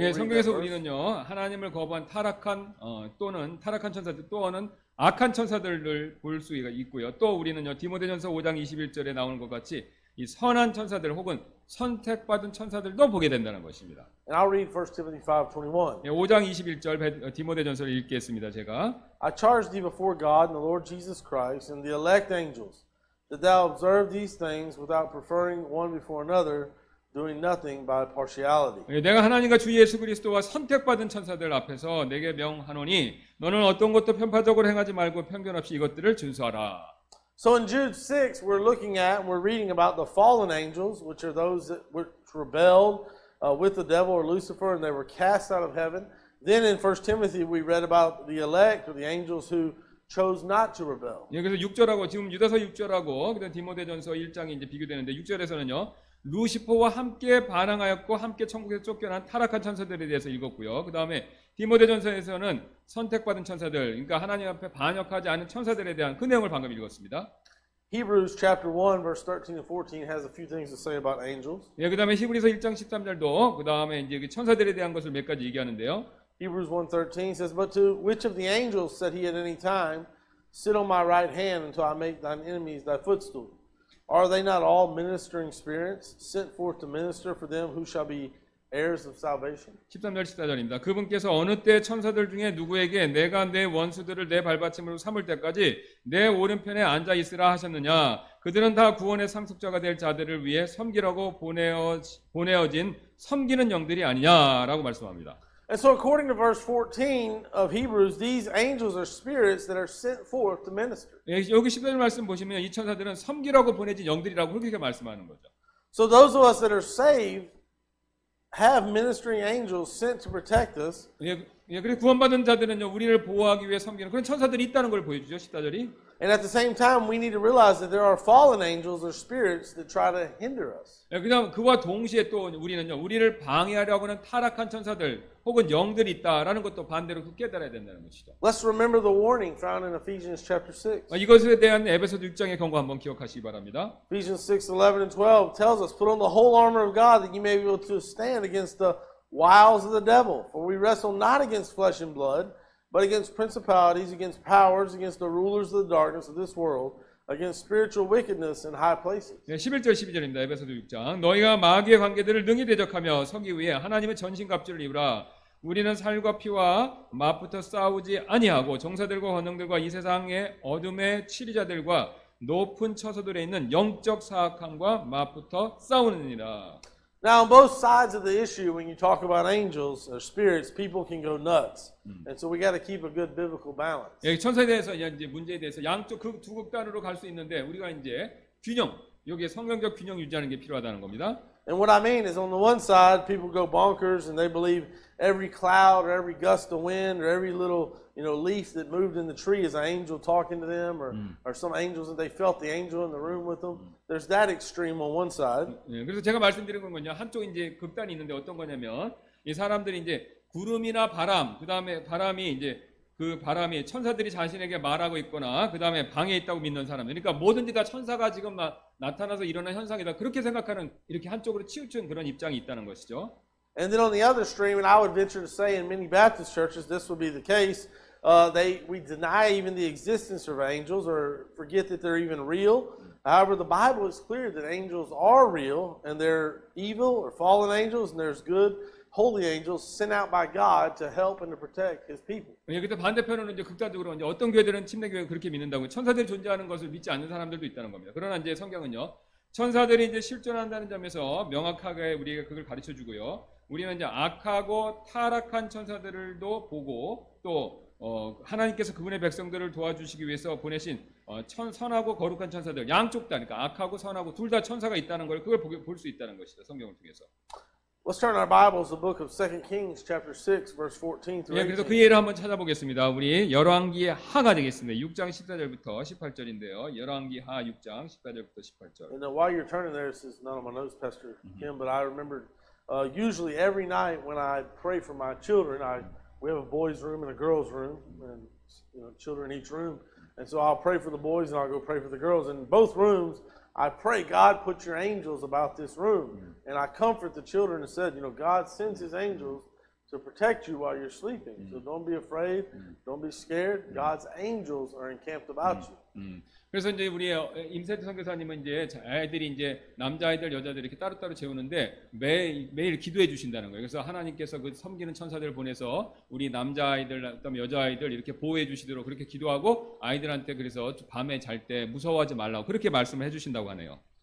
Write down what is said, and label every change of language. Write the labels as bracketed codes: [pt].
[ko] 예, 성경에서 우리는요 하나님을 거부한 타락한 또는 타락한 천사들 또는 악한 천사들을 볼 수가 있고요. 또 우리는요 디모데전서 5장 21절에 나오는 것 같이 이 선한 천사들 혹은 선택받은 천사들도 보게 된다는 것입니다. [en] And I'll read 1 Timothy 5, 21. [ko] 예, 5장 21절 디모데전서를 읽겠습니다. 제가 [en] I charge thee before God and the Lord Jesus Christ and the elect angels that thou observe these things without preferring one before another, doing nothing by partiality. [ko] 예, 내가 하나님과 주 예수 그리스도와 선택받은 천사들 앞에서 내게 명하노니 너는 어떤 것도 편파적으로 행하지 말고 편견 없이 이것들을 준수하라. [en] So in Jude 6, we're looking at, we're reading about the fallen angels, which are those that rebelled with the devil or Lucifer, and they were cast out of heaven. Then in 1 Timothy, we read about the elect or the angels who chose not to rebel. [ko] 예, 그래서 6절하고 지금 유다서 6절하고 그다음 디모데전서 1장이 이제 비교되는데 6절에서는요. 루시퍼와 함께 반항하였고 함께 천국에서 쫓겨난 타락한 천사들에 대해서 읽었고요. 그 다음에 디모데전서에서는 선택받은 천사들, 그러니까 하나님 앞에 반역하지 않은 천사들에 대한 그 내용을 방금 읽었습니다. [en] Hebrews chapter 1 verse 13 and 14 has a few things to say about angels. [ko] 예, 그 다음에 히브리서 1장 13절도 그 다음에 이제 천사들에 대한 것을 몇 가지 얘기하는데요. [en] Hebrews 1:13 says, But to which of the angels said he at any time, Sit on my right hand until I make thine enemies thy footstool? Are they not all ministering spirits sent forth to minister for them who shall be heirs of salvation? [ko] 13절 14절입니다. 그분께서 어느 때 천사들 중에 누구에게 내가 내 원수들을 내 발받침으로 삼을 때까지 내 오른편에 앉아 있으라 하셨느냐? 그들은 다 구원의 상속자가 될 자들을 위해 섬기라고 보내어진 섬기는 영들이 아니냐라고 말씀합니다. [en] And so according to verse 14 of Hebrews, these angels are spirits that are sent forth to minister. [ko] 예, 여기 10절 말씀 보시면 이 천사들은 섬기라고 보내진 영들이라고 그렇게 말씀하는 거죠. [en] So those of us that are saved have ministering angels sent to protect us. [ko] 예, 그리고 구원받은 자들은요, 우리를 보호하기 위해 섬기는 그런 천사들이 있다는 걸 보여주죠, 14절이. [en] And at the same time, we need to realize that there are fallen angels or spirits that try to hinder us. [ko] 예, 그냥 그와 동시에 또 우리는요, 우리를 방해하려고 하는 타락한 천사들 혹은 영들이 있다라는 것도 반대로 깨달아야 된다는 것이죠. [en] Let's remember the warning found in Ephesians chapter 6. [ko] 이것에 대한 에베소서 6장의 경고 한번 기억하시기 바랍니다. [en] Ephesians 6:11 and 12 tells us, "Put on the whole armor of God that you may be able to stand against the wiles of the devil. For we wrestle not against flesh and blood." But against principalities, against powers, against the rulers of the darkness of this world, against spiritual wickedness in high places. [ko] 네, 11절 12절입니다. 에베소서 6장. 너희가 마귀의 관계들을 능히 대적하며 서기 위해 하나님의 전신 갑주를 입으라. 우리는 살과 피와 맛부터 싸우지 아니하고 정사들과 권능들과 이 세상의 어둠의 치리자들과 높은 처소들에 있는 영적 사악함과 맛부터 싸우느니라. [en] Now on both sides of the issue when you talk about angels or spirits people can go nuts. And so we got to keep a good biblical balance. [ko] 예, 천사에 대해서 이제 문제에 대해서 양쪽 그 두 극단으로 갈 수 있는데 우리가 이제 균형 여기에 성경적 균형 유지하는 게 필요하다는 겁니다. [en] And what I mean is on the one side people go bonkers and they believe every cloud or every gust of wind or every little, you know, leaf that moved in the tree is an angel talking to them or or some angels and they felt the angel in the room with them. There's that extreme on one side. [ko] 예, 그래서 제가 말씀드린 건 뭐냐? 한쪽 이제 극단이 있는데 어떤 거냐면 이 사람들이 이제 구름이나 바람, 그다음에 바람이 이제 그 바람이 천사들이 자신에게 말하고 있거나 그다음에 방에 있다고 믿는 사람. 그러니까 뭐든지 다 천사가 지금 나타나서 일어난 현상이다. 그렇게 생각하는 이렇게 한쪽으로 치우친 그런 입장이 있다는 것이죠. [en] And then on the other stream, and I would venture to say in many Baptist churches this would be the case. We deny even the existence of angels or forget that they're even real. However, the Bible is clear that angels are real and they're evil or fallen angels and there's good holy angels sent out by God to help and to protect His people. [ko] 예, 근데 반대편으로 이제 극단적으로 이제 어떤 교회들은 침례 교회 그렇게 믿는다고 천사들이 존재하는 것을 믿지 않는 사람들도 있다는 겁니다. 그러나 이제 성경은요 천사들이 이제 실존한다는 점에서 명확하게 우리에게 그걸 가르쳐 주고요. 우리는 이제 악하고 타락한 천사들도 보고 또 하나님께서 그분의 백성들을 도와주시기 위해서 보내신 선하고 거룩한 천사들 양쪽 다 그러니까 악하고 선하고 둘 다 천사가 있다는 걸 그걸 볼 수 있다는 것이다 성경을 통해서. [en] Let's turn our Bibles to the book of 2 Kings chapter 6 verse 14 through 18. [ko] 예, 그래서 그 예를 한번 찾아보겠습니다. 우리 열왕기의 하가 되겠습니다. 6장 14절부터 18절인데요. 열왕기 하 6장 14절부터 18절. [en] And while you're turning there, this is not on my notes, Pastor Kim, but I remember usually every night when I pray for my children, we have a boys' room and a girls' room, and you know, children in each room. And so I'll pray for the boys and I'll go pray for the girls. In both rooms, I pray, God, put your angels about this room. And I comfort the children and said, you know, God sends his angels to protect you while you're sleeping. So don't be afraid, don't be scared. God's angels are encamped about you. [ko] 그래서 이제 우리 임세태 선교사님은 이제 아이들이 이제 남자아이들 여자아이들 이렇게 따로따로 재우는데 매일 기도해 주신다는 거예요. 그래서 하나님께서 그 섬기는 천사들을 보내서 우리 남자아이들 어떤 여자아이들 이렇게 보호해 주시도록 그렇게 기도하고 아이들한테 그래서 밤에 잘 때 무서워하지 말라고 그렇게 말씀을 해 주신다고 하네요.